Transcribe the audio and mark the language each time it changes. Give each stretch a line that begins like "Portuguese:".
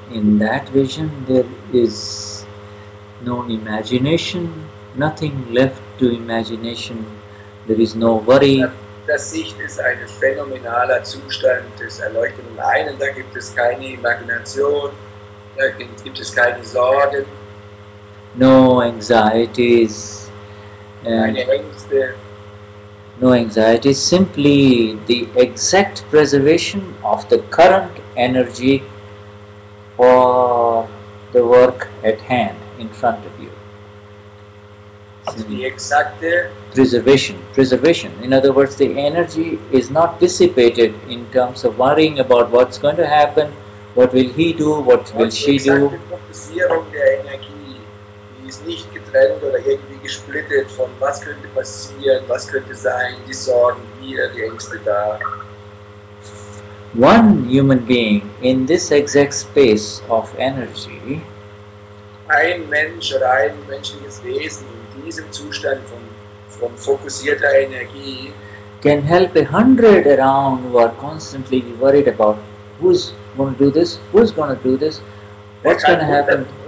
English: In that vision, there is no imagination, nothing left to imagination. There is no worry.
German: Das Sicht ist ein phänomenaler Zustand des erleuchteten Einen. Da gibt es keine Imagination. Gibt es keine Sorgen,
English: no anxieties,
German: keine
English: Ängste, no anxieties, simply the exact preservation of the current energy for the work at hand in front of you.
German: Simply die exakte
English: preservation, in other words, the energy is not dissipated in terms of worrying about what's going to happen. What will he do? What will she do?
German: Fokussierung der Energie, die ist nicht getrennt oder irgendwie gesplittet von was könnte passieren, was könnte sein, die Sorgen hier, die Ängste da.
English: One human being in this exact space of energy,
German: ein Mensch oder ein menschliches Wesen in diesem Zustand von fokussierter Energie,
English: can help 100 around who are constantly worried about who's going to do this, who's going to do this, what's going to happen.